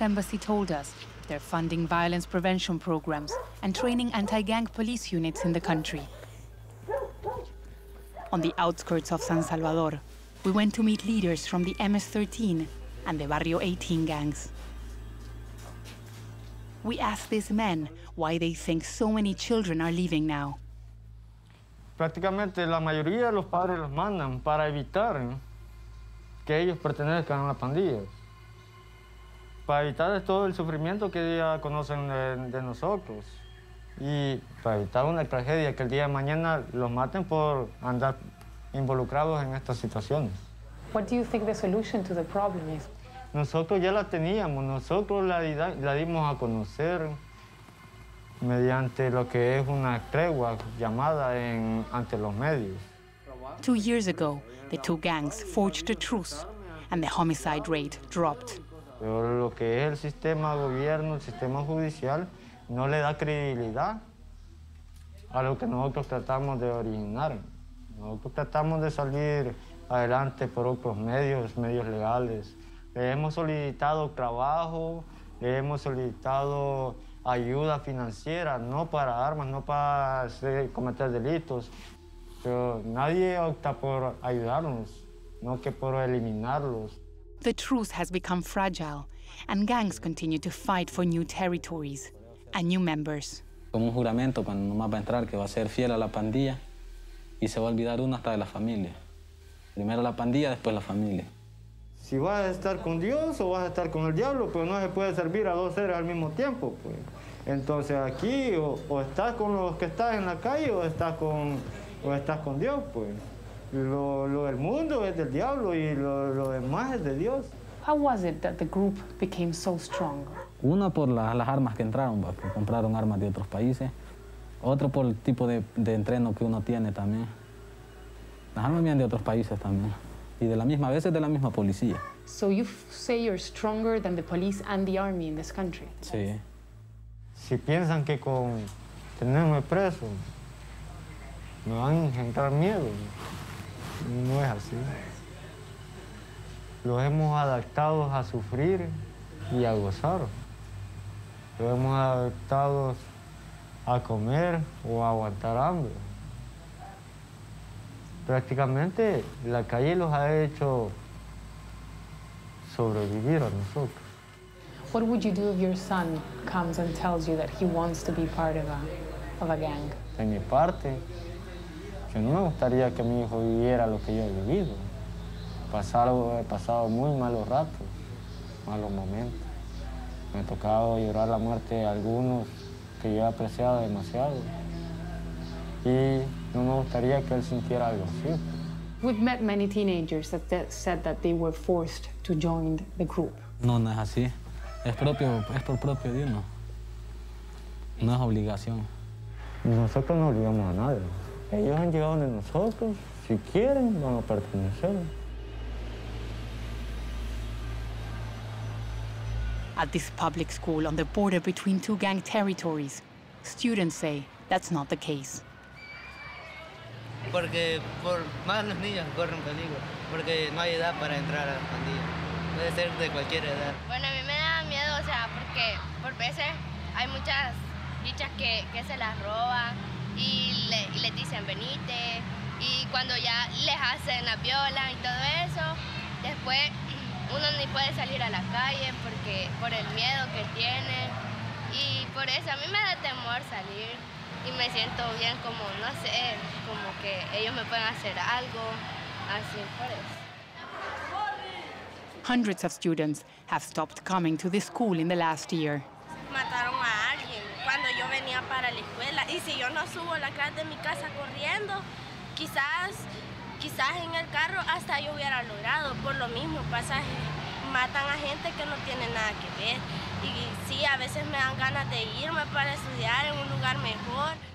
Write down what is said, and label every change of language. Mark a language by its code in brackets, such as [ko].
[en] Embassy told us they're funding violence prevention programs and training anti-gang police units in the country. On the outskirts of San Salvador, we went to meet leaders from the MS-13 and the Barrio 18 gangs. We asked these men why they think so many children are leaving now. [es] Prácticamente la mayoría de los padres los mandan para evitar que ellos pertenezcan a las pandillas, para evitar todo el sufrimiento que ya conocen de nosotros y para evitar una tragedia que el día de mañana los maten por andar involucrados en estas situaciones. [en] What do you think the solution to the problem is? [es] Nosotros ya la teníamos, nosotros la dimos a conocer mediante lo que es una tregua llamada ante los medios. [en] 2 years ago, the two gangs forged a truce and the homicide rate dropped. [es] Pero lo que es el sistema de gobierno, el sistema judicial, no le da credibilidad a lo que nosotros tratamos de originar. Nosotros tratamos de salir adelante por otros medios, medios legales. Le hemos solicitado trabajo, le hemos solicitado ayuda financiera, no para armas, no para cometer delitos. Pero nadie opta por ayudarnos, no que por eliminarlos. [en] The truce has become fragile, and gangs continue to fight for new territories and new members. [es] Como un juramento cuando nomás va a entrar que va a ser fiel a la pandilla y se va a olvidar uno hasta de la familia. Primero la pandilla, después la familia. Si vas a estar con Dios o vas a estar con el diablo, pero no se puede servir a dos seres al mismo tiempo, pues. Entonces aquí o estás con los que estás en la calle o estás con Dios, pues. Lo del mundo es del diablo y lo demás es de Dios. [en] How was it that the group became so strong? [es] Una por las armas que entraron, porque compraron armas de otros países. Otro por el tipo de entreno que uno tiene también. Las armas vienen de otros países también. Y de la misma vez es de la misma policía. [en] So you say you're stronger than the police and the army in this country? [es] Sí. Si piensan que con tenerme preso, me van a engendrar miedo. No es así. Los hemos adaptado a sufrir y a gozar. Los hemos adaptado a comer o a aguantar hambre. Prácticamente la calle los ha hecho sobrevivir a nosotros. [en] What would you do if your son comes and tells you that he wants to be part of a gang? [es] De mi parte, yo no me gustaría que mi hijo viviera lo que yo he vivido. He pasado muy malos ratos, malos momentos. Me ha tocado llorar la muerte de algunos que yo he apreciado demasiado. Y no me gustaría que él sintiera algo así. [en] We've met many teenagers that said that they were forced to join the group. [es] No, no es así. Es por propio de uno. No es obligación. Nosotros no obligamos a nadie. Ellos han llegado de nosotros. Si quieren, van a pertenecer. [en] At this public school on the border between two gang territories, students say that's not the case. [es] Porque por más los niños corren peligro, porque no hay edad para entrar a la pandilla. Puede ser de cualquier edad. Bueno, a mí me da miedo, o sea, porque por veces hay muchas dichas que se las roban y les dicen venite, y cuando ya les hacen la viola y todo eso, después uno ni puede salir a la calle porque por el miedo que tiene. Y por eso a mí me da temor salir. Y me siento bien como, no sé, como que ellos me pueden hacer algo. Así por eso. [en] Hundreds of students have stopped coming to this school in the last year. [es] Mataron a alguien cuando yo venía para la escuela. Y si yo no subo la clase de mi casa corriendo, quizás en el carro hasta yo hubiera logrado. Por lo mismo pasa, matan a gente que no tiene nada que ver. Y sí, a veces me dan ganas de irme para estudiar en un lugar mejor.